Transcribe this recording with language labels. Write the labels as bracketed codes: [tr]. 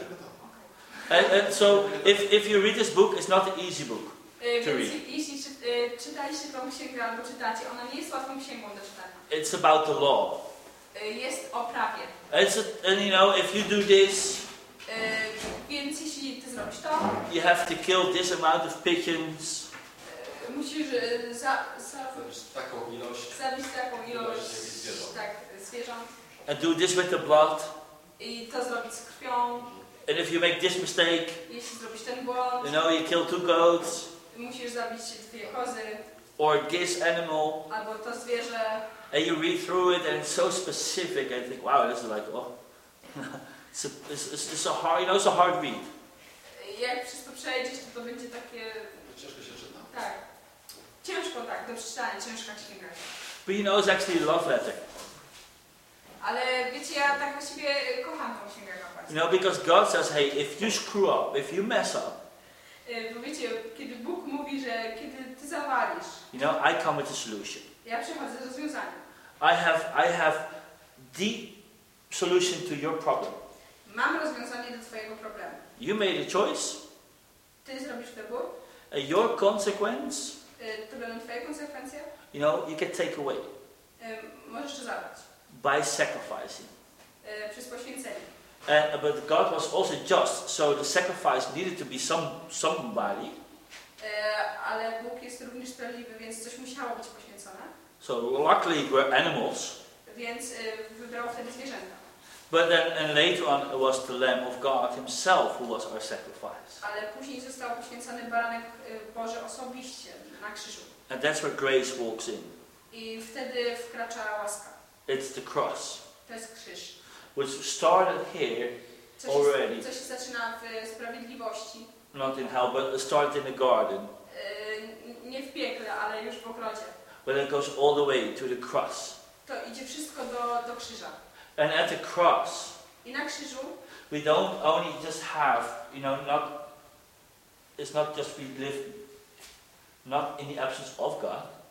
[en] Okay. And so, if you read this book, it's not an easy book to read. [pl] Jeśli czytaliście tą księgę albo czytacie, ona nie jest łatwą księgą do czytania. [en] It's about the law. [pl] Jest o prawie. [en] It's a, and you know, if you do this, [pl] więc jeśli ty zrobisz to, [en] you have to kill this amount of pigeons. [pl] Musisz zabić taką ilość zwierząt. [en] And do this with the blood. [pl] I to zrobić z krwią. [en] And if you make this mistake, [pl] jeśli zrobisz ten błąd, [en] you know, you kill two goats. [pl] Musisz zabić dwie kozy. [en] Or this animal. [pl] Albo to zwierzę. [en] And you read through it and it's so specific. I think, wow, this is like, oh. It's a hard, you know, it's a hard read. [pl] Jak wszystko przejdziesz, to będzie takie... Tak. Ciężko tak, do przeczytania, ciężka księga. [en] But you know, it's actually a love letter. [pl] Ale wiecie, ja tak właściwie kocham tą księgę. [en] You know, because God says, hey, if you screw up, if you mess up. [pl] Bo wiecie, kiedy Bóg mówi, że kiedy ty zawalisz. [en] You know, I come with a solution. [pl] Ja przychodzę z rozwiązaniem. [en] I have the solution to your problem. [pl] Mam rozwiązanie do twojego problemu. [en] You made a choice. [pl] Ty zrobisz wybór. [en] Your consequence, [pl] to będą twoje konsekwencje? [en] You know, you can take away. [pl] Możesz to zabrać. [en] By sacrificing. [pl] Przez poświęcenie. [en] But God was also just, so the sacrifice needed to be somebody. [pl] Ale Bóg jest również sprawiedliwy, więc coś musiało być poświęcone. [en] So luckily were animals. [pl] Więc wybrał wtedy zwierzęta. [en] But then, and later on, it was the Lamb of God Himself who was our sacrifice. [pl] Ale później został poświęcony baranek Boży osobiście na krzyżu. [en] And that's where grace walks in. [pl] I wtedy wkracza łaska. [en] It's the cross. [pl] To jest krzyż. [en] Which started here already. [pl] Co się zaczyna w sprawiedliwości. [en] Not in hell, but started in the garden. [pl] Nie w piekle, ale już w ogrodzie. [en] But it goes all the way to the cross. [pl] To idzie wszystko do krzyża. [en] And at the cross, [pl] i na krzyżu, [en] we don't only just have, you know, not, it's not just we live not in the absence of God.